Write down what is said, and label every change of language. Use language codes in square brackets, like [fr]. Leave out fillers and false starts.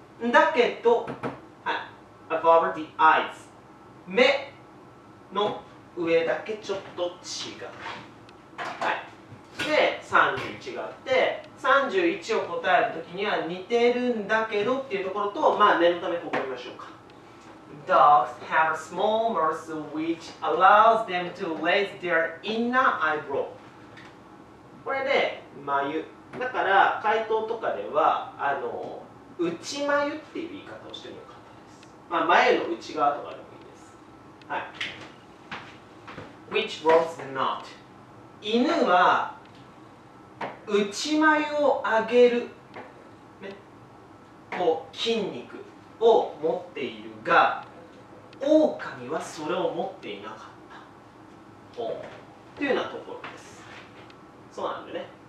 [ja] だけど、はい、 [en] above the eyes。 [ja] 目の上だけちょっと違う。はい、で31があって、31を答える時には似てるんだけどっていうところと、まあ念のためここ見ましょうか。 [en] Dogs have a small mouth which allows them to raise their inner eyebrow. [ja] これで眉だから、回答とかではあの内眉っていう言い方をしてもよかったです。まあ眉の内側とかで、はい、 [en] Which was not. [ja] 犬は内眉を上げる、ね、こう筋肉を持っているが、狼はそれを持っていなかったっていうようなところです。そうなんだね。